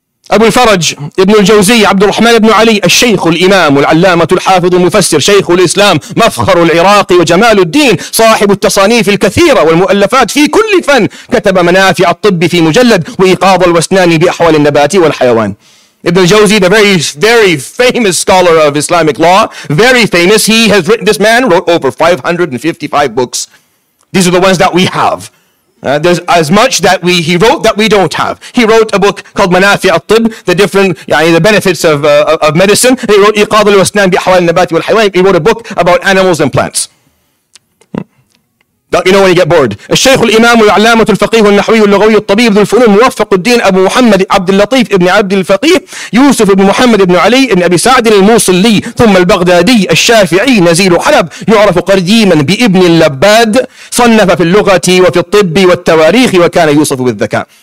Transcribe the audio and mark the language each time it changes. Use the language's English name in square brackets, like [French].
[Arabic] أبو الفرج ابن الجوزي عبد الرحمن بن علي الشيخ الإمام والعلامة الحافظ المفسر شيخ الإسلام مفخر العراق وجمال الدين صاحب التصانيف الكثيرة والمؤلفات في كل فن كتب منافع الطب في مجلد وإيقاظ الوسنان بأحوال النبات والحيوان. [English] Ibn al-Jawzi, the very, very famous scholar of Islamic law, very famous, he has written, this man wrote over 555 books. These are the ones that we have. There's as much that he wrote that we don't have. He wrote a book called Manafi' al-Tib, the different, يعني, the benefits of medicine. He wrote Iqad al-Wasnan bi-Ahwal al-Nabati wal-Haywan. He wrote a book about animals and plants. Don't you know when you get bored? [Arabic] الشيخ الإمام العلامة الفقيه النحوي اللغوي الطبيب ذو الفنون موفق الدين أبو محمد عبد اللطيف ابن عبد الفقيه يوسف ابن محمد ابن علي ابن أبي سعد الموصلي ثم البغدادي الشافعي نزيل حلب يعرف قديما بابن اللباد صنف في اللغة وفي الطب والتواريخ وكان يوصف بالذكاء.